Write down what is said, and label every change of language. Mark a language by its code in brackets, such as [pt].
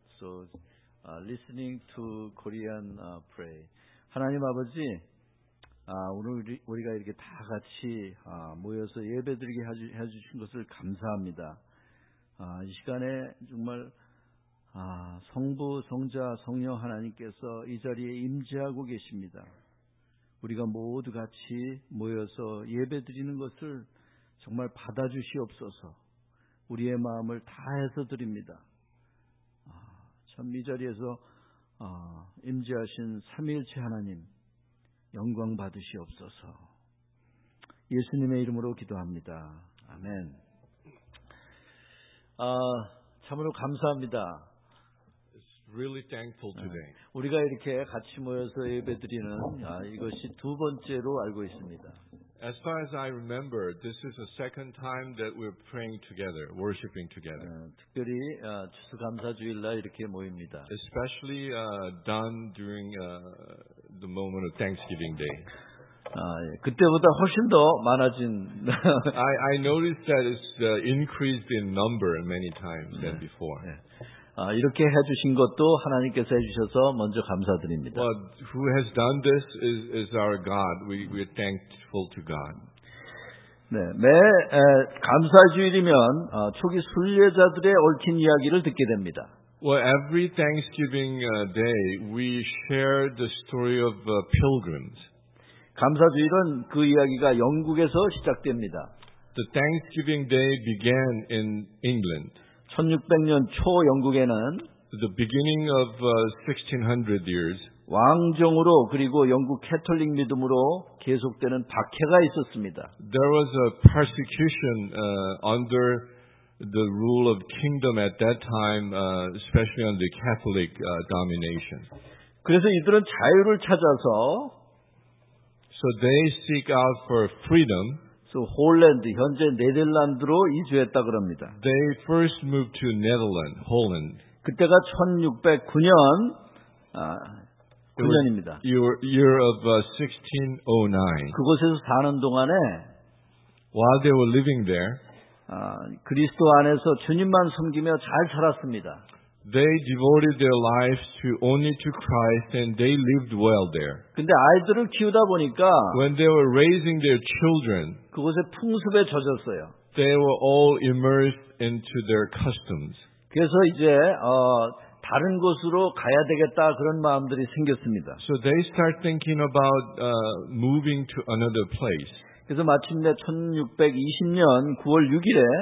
[en] So listening to Korean pray. [ko] 하나님 아버지, 오늘 우리가 이렇게 다 같이 모여서 예배드리게 해주신 것을 감사합니다. 이 시간에 정말 성부, 성자, 성령 하나님께서 이 자리에 임재하고 계십니다. 우리가 모두 같이 모여서 예배드리는 것을 정말 받아주시옵소서. 우리의 마음을 다해서 드립니다. 참 이 자리에서 임재하신 삼위일체 하나님 영광 받으시옵소서. 예수님의 이름으로 기도합니다. 아멘. 참으로 감사합니다. [en] Really thankful today. [ko] 우리가 이렇게 같이 모여서 예배드리는 이것이 두 번째로 알고 있습니다. [en] As far as I remember, this is the second time that we're praying together, worshiping together. [ko] 특별히 추수감사 주일날 이렇게 모입니다. [en] Especially done during the moment of Thanksgiving Day. [ko] 그때보다 훨씬 더 많아진. [en] I noticed that it's increased in number many times than before. [ko] 이렇게 해주신 것도 하나님께서 해주셔서 먼저 감사드립니다. [en] But who has done this is our God. We are thankful to God. [ko] 네, 매 감사주일이면 초기 순례자들의 얽힌 이야기를 듣게 됩니다. [en] Well, every Thanksgiving day, we share the story of pilgrims. [ko] 감사주일은 그 이야기가 영국에서 시작됩니다. [en] The Thanksgiving day began in England. [ko] 1600년 초 영국에는 [en] the beginning of 1600 years [ko] 왕정으로 그리고 영국 캐톨릭 믿음으로 계속되는 박해가 있었습니다. [en] There was a persecution under the rule of kingdom at that time especially under Catholic domination. [ko] 그래서 이들은 자유를 찾아서 [en] so they seek out for freedom. [ko] So 홀랜드 현재 네덜란드로 이주했다 그럽니다. [en] They first moved to Netherlands, Holland. [ko] 그때가 1609년 9년입니다. [en] Year of 1609. [ko] 그곳에서 사는 동안에 [en] while they were living there, [ko] 그리스도 안에서 주님만 섬기며 잘 살았습니다. [en] They devoted their lives to only to Christ and they lived well there. [ko] 근데 아이들을 키우다 보니까 [en] when they were raising their children, [ko] 그곳의 풍습에 젖었어요. [en] They were all immersed into their customs. [ko] 그래서 이제 다른 곳으로 가야 되겠다 그런 마음들이 생겼습니다. [en] So they start thinking about moving to another place. [ko] 그래서 마침내 1620년 9월 6일에